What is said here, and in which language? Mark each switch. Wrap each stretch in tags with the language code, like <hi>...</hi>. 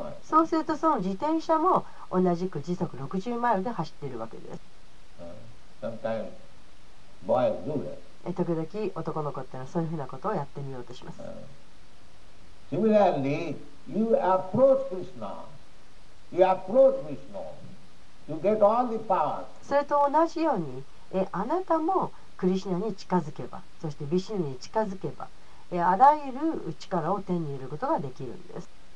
<ja>そうするとその自転車も同じく時速60マイルで走っているわけです。時々男の子ってのはそういうふうなことをやってみようとします。</ja> <en>Similarly, you approach Krishna, you approach Vishnu.You get all the power.</en> <ja>それと同じように、あなたもクリシナに近づけば、そしてビシュヌに近づけば、あらゆる力を手に入れることができるんです。</ja>